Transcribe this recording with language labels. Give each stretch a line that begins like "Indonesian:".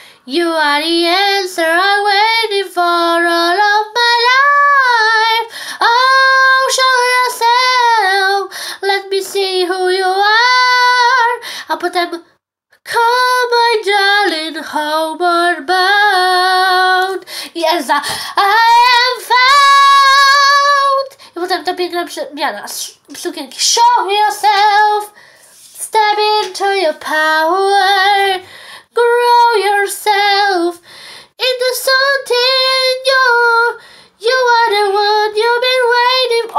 English: You are the answer I waited for all of my life. Oh, show yourself, let me see who you are.
Polish: A potem,
English: come my darling, homeward bound. I Elsa, I am found.
Polish: I potem ta piękna przemiana sukienki.
English: Show yourself, step into your power. Grow yourself into something new. You are the one you've been waiting for.